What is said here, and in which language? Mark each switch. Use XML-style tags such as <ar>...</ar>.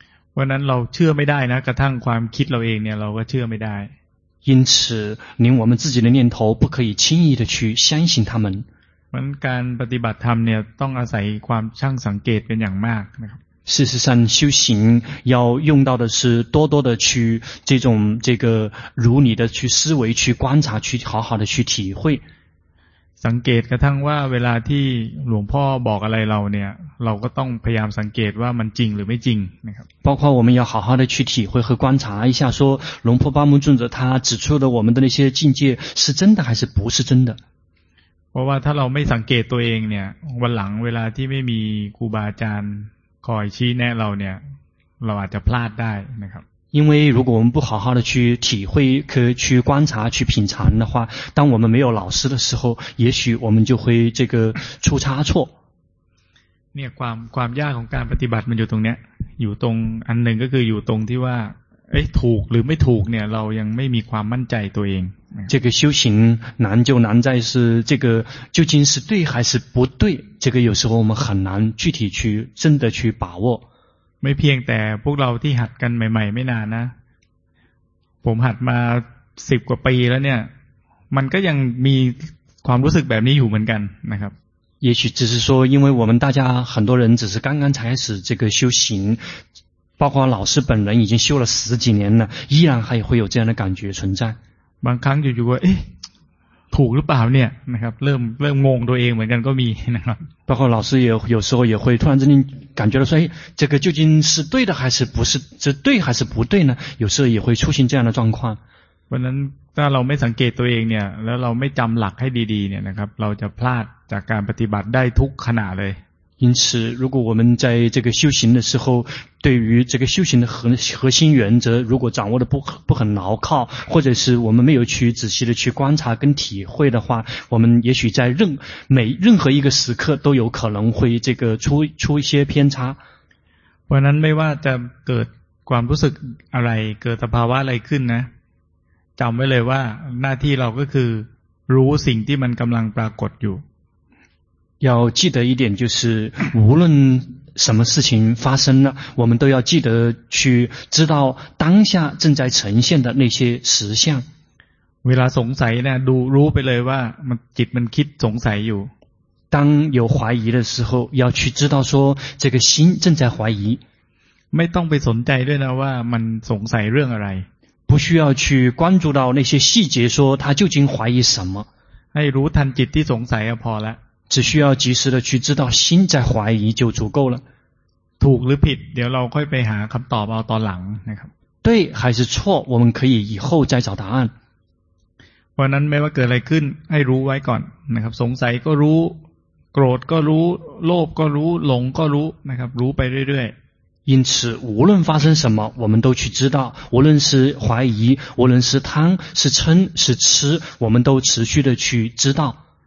<th>เพราะนั้นเราเชื่อไม่ได้นะกระทั่งความคิดเราเองเนี่ยเราก็เชื่อไม่ได้</th> <zh>因此连我们自己的念头不可以轻易的去相信他们</zh> <th>เพราะการปฏิบัติธรรมเนี่ยต้องอาศัยความช่างสังเกตเป็นอย่างมากนะครับ</th> <zh>事实上修行要用到的是多多的去这种这个如你的去思维去观察去好好的去体会</zh> <th>สังเกตกระทั่งว่าเวลาที่หลวงพ่อบอกอะไรเราเนี่ยเราก็ต้องพยายามสังเกตว่ามันจริงหรือไม่จริงนะครับ</th> <zh>包括我们要好好的去体会和观察一下说龙婆巴木尊者他指出的我们的那些境界是真的还是不是真的</zh> <th>เพราะว่าถ้าเราไม่สังเกตตัวเองเนี่ยวันหลังเวลาที่ไม่มีครูบาอาจารย์คอยชี้แนะเราเนี่ยเราอาจจะพลาดได้นะครับ</th> <zh>因为如果我们不好好的去体会可去观察去品尝的话当我们没有老师的时候也许我们就会这个出差错</zh> <th>เนี่ยความยากของการปฏิบัติมันอยู่ตรงเนี้ยอยู่ตรงอันหนึ่งก็คืออยู่ตรงที่ว่าเอ๊ะถูกหรือไม่ถูกเนี่ยเรายังไม่มีความมั่นใจตัวเอง</th> <zh>这个修行难就难在是这个究竟是对还是不对这个有时候我们很难具体去真的去把握</zh> <th>ไม่เพียงแต่พวกเราที่หัดกันใหม่ๆไม่นานนะผมหัดมา10กว่าปีแล้วเนี่ยมันก็ยังมีความรู้สึกแบบนี้อยู่เหมือนกันนะครับ</th> <zh>也许只是说因为我们大家很多人只是刚刚开始这个修行包括老师本人已经修了十几年了依然还会有这样的感觉存在</zh> <th>บางครั้งอยู่ๆก็เอ๊ะถูกหรือเปล่าเนี่ยนะครับเริ่มงงตัวเองเหมือนกันก็มีนะครับ</th> <zh>包括老师也有时候也会突然之间感觉到说哎这个究竟是对的还是不是这对还是不对呢有时候也会出现这样的状况</zh> <th>เพราะนั้นถ้าเราไม่สังเกตตัวเองเนี่ยแล้วเราไม่จำหลักให้ดีๆเนี่ยนะครับเราจะพลาดจากการปฏิบัติได้ทุกขณะเลย</th> <zh>因此如果我们在这个修行的时候对于这个修行的核心原则如果掌握的不很牢靠或者是我们没有去仔细的去观察跟体会的话我们也许在任何一个时刻都有可能会这个出一些偏差</zh> <th>เพราะนั้นไม่ว่าจะเกิดความรู้สึกอะไรเกิดสภาวะอะไรขึ้นนะจำไว้เลยว่าหน้าที่เราก็คือรู้สิ่งที่มันกำลังปรากฏอยู่</th> <zh>要记得一点就是无论什么事情发生了我们都要记得去知道当下正在呈现的那些实相</zh> <th>เวลาสงสัยนะดูรู้ไปเลยว่ามันจิตมันคิดสงสัยอยู่</th> <zh>当有怀疑的时候要去知道说这个心正在怀疑</zh> <th>ไม่ต้องไปสนใจด้วยนะว่ามันสงสัยเรื่องอะไร</th> <zh>不需要去关注到那些细节，说他究竟怀疑什么。</zh> <th>ให้รู้ทันจิตที่สงสัยก็พอแล้ว</th> <zh>只需要及时的去知道心在怀疑就足够了。</zh> <th>ถูกหรือผิดเดี๋ยวเราค่อยไปหาคำตอบเอาตอนหลังนะครับ</th> <zh>对还是错我们可以以后再找答案</zh> <th>เพราะนั้นไม่ว่าเกิดอะไรขึ้นให้รู้ไว้ก่อนนะครับสงสัยก็รู้โกรธก็รู้โลภก็รู้หลงก็รู้นะครับรู้ไปเรื่อย</th> <zh>ๆ因此无论发生什么我们都去知道无论是怀疑无论是贪是嗔是痴我们都持续的去知道</zh>